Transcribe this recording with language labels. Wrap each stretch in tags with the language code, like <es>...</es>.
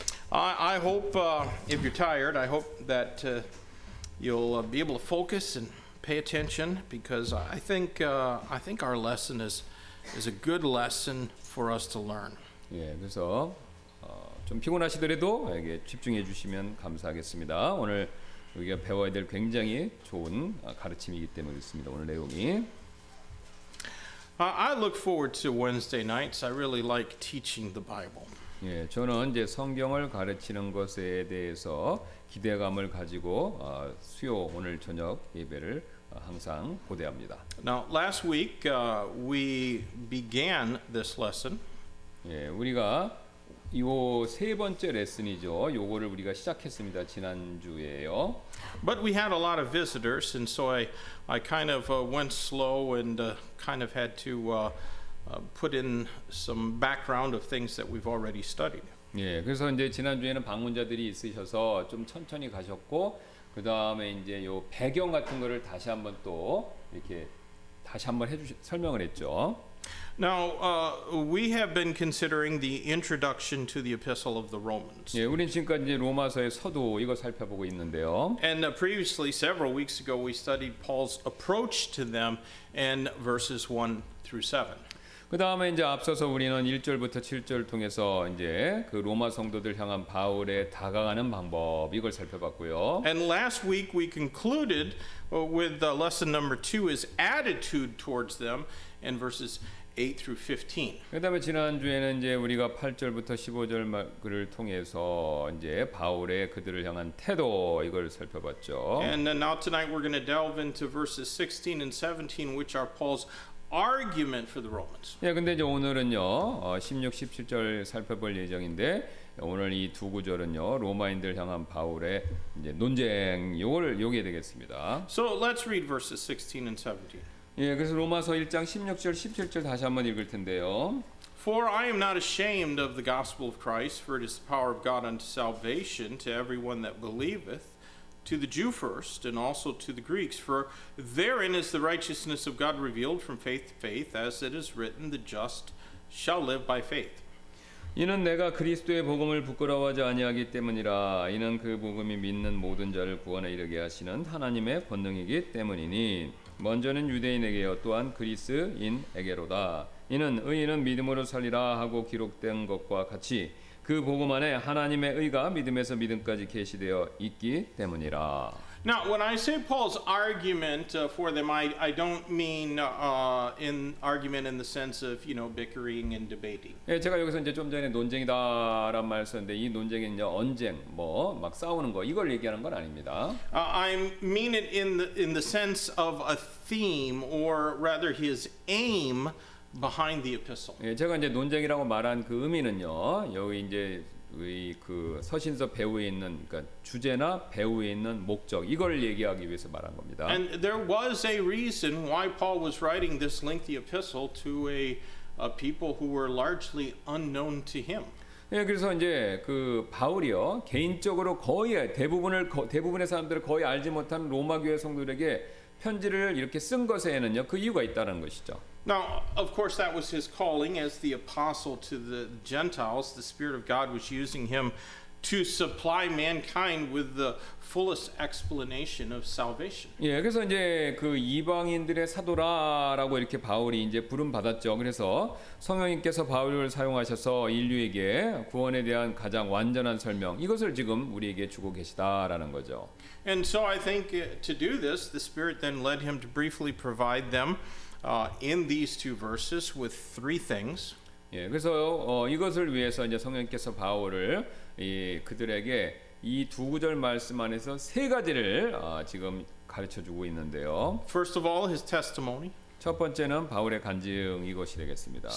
<en>I hope if you're tired, I hope that you'll be able to focus and pay attention, because I think our lesson is a good lesson for us to learn.</en> <ko>예, 그래서 좀 피곤하시더라도 이게 집중해 주시면 감사하겠습니다. 오늘 우리가 배워야 될 굉장히 좋은 가르침이기 때문에 있습니다. 오늘 내용이.</ko> <en>I look forward to Wednesday nights. I really like teaching the Bible.</en> <ko>예, 저는 이제 성경을 가르치는 것에 대해서 기대감을 가지고 수요 오늘 저녁 예배를 항상 고대합니다.</ko> <en>Now last week we began this lesson.</en> <ko>예, 우리가 요 세 번째 레슨이죠. 요거를 우리가 시작했습니다. 지난주에요.</ko> <en>But we had a lot of visitors, and so I kind of went slow and kind of had to put in some background of things that we've already studied.</en> <ko>예, 그래서 이제 지난주에는 방문자들이 있으셔서 좀 천천히 가셨고, 그 다음에 이제 요 배경 같은 거를 다시 한번 또 이렇게 다시 한번 설명을 했죠.</ko> <en>Now we have been considering the introduction to the Epistle of the Romans.</en> <ko>예, 우리는 지금까지 이제 로마서의 서두 이거 살펴보고 있는데요.</ko> <en>And previously, several weeks ago, we studied Paul's approach to them in verses 1 through 7.</en> <ko>그다음에 이제 앞서서 우리는 1절부터 7절을 통해서 이제 그 로마 성도들 향한 바울의 다가가는 방법 이걸 살펴봤고요.</ko> <en>And last week we concluded with lesson number 2 is attitude towards them in verses 8 through 15.</en> <ko>그다음에 지난주에는 이제 우리가 8절부터 15절을 통해서 이제 바울의 그들을 향한 태도 이걸 살펴봤죠.</ko> <en>And now tonight we're going to delve into verses 16 and 17 which are Paul's argument for the Romans.</en> <ko>예, 근데 이제 오늘은요. 16, 17절 살펴볼 예정인데 오늘 이 두 구절은요. 로마인들 향한 바울의 이제 논쟁 요걸 요게 되겠습니다.</ko> <en>So let's read verses 16 and 17.</en> <ko>예, 그래서 로마서 1장 16절, 17절 다시 한번 읽을 텐데요.</ko> <en>For I am not ashamed of the gospel of Christ, for it is the power of God unto salvation to everyone that believeth. To the Jew first, and also to the Greeks. For therein is the righteousness of God revealed from faith to faith, as it is written, the just shall live by faith.</en> <ko>이는 내가 그리스도의 복음을 부끄러워하지 아니하기 때문이라. 이는 그 복음이 믿는 모든 자를 구원에 이르게 하시는 하나님의 권능이기 때문이니. 먼저는 유대인에게요, 또한 그리스인에게로다. 이는 의인은 믿음으로 살리라 하고 기록된 것과 같이 그 복음 안에 하나님의 의가 믿음에서 믿음까지 계시되어 있기 때문이라.</ko> <en>Now, when I say Paul's argument for them, I don't mean in argument in the sense of, you know, bickering and debating.</en> <ko>예, 제가 여기서 이제 좀 전에 논쟁이다라는 말을 썼는데 이 논쟁이 이제 언쟁, 뭐 막 싸우는 거 이걸 얘기하는 건 아닙니다.</ko> <en>I mean it in the sense of a theme or rather his aim behind the epistle.</en> <ko>예, 제가 이제 논쟁이라고 말한 그 의미는요. 여기 이제 의 그 서신서 배후에 있는 그러니까 주제나 배후에 있는 목적 이걸 얘기하기 위해서 말한 겁니다.</ko> <en>And there was a reason why Paul was writing this lengthy epistle to a people who were largely unknown to him.</en> <ko>예, 그래서 이제 그 바울이요 개인적으로 거의 대부분을 대부분의 사람들을 거의 알지 못한 로마 교회 성도들에게 편지를 이렇게 쓴 것에는요 그 이유가 있다는 것이죠.</ko> <en>Now, of course, that was his calling as the apostle to the Gentiles. The Spirit of God was using him to supply mankind with the fullest explanation of salvation.</en> <ko>예, 그래서 이제 그 이방인들의 사도라라고 이렇게 바울이 이제 부름 받았죠. 그래서 성령님께서 바울을 사용하셔서 인류에게 구원에 대한 가장 완전한 설명 이것을 지금 우리에게 주고 계시다라는 거죠.</ko> <en>And so I think to do this, the Spirit then led him to briefly provide them. In these two verses, with three things.</en> <ko>예, 그래서 이것을 위해서 이제 성령께서 바울을 이 그들에게 이 두 구절 말씀 안에서 세 가지를 지금 가르쳐 주고 있는데요.</ko> <en>First of all, his testimony.</en> <ko>첫 번째는 바울의 간증 이것이 되겠습니다.</ko>